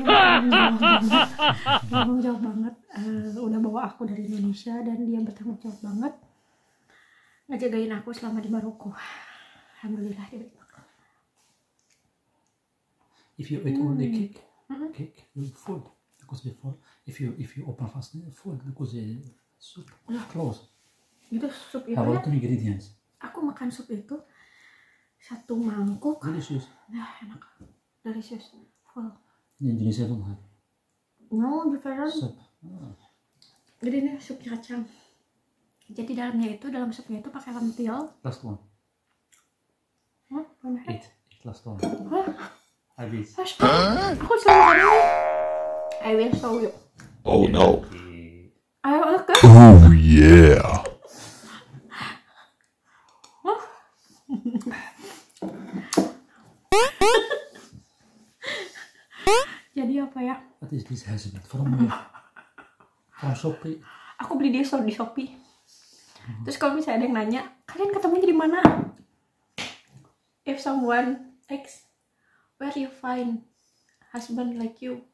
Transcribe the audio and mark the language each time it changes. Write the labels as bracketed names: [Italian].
[Indonesian] Jadi dia itu katanya jauh banget, udah bawa aku dari Indonesia dan dia bertanggung jawab banget ngejagain aku selama di Maroko. Alhamdulillah dia baik banget. [English] If you eat only cake, you full because before if you open fast, full because the soup close. [Indonesian] Itu sup itu. [English] How many ingredients? [Indonesian] Aku makan sup itu. Satu mangkuk. [English] Delicious. [Indonesian] Nah, enak. [English] Delicious. Full. [Indonesian] Ini Indonesia itu enggak? [English] No, different. [Indonesian] Sup. Jadi ini sup kacang. Jadi dalamnya itu, dalam supnya itu pakai lentil. [English] Last one. [Indonesian] Mana? [English] Eat. Last one. Huh? I will. Last one. [Indonesian] Aku selalu ngomong. [English] I will show you. Oh no. I will look good. Oh yeah. Huh? [Indonesian] Jadi apa ya? [English] What is this hazard from me? From Shopee. [Indonesian] Aku beli dia di Shopee. Mm-hmm. Terus kalau misalnya ada yang nanya, kalian ketemunya di mana? [English] If someone asks, where you find husband like you?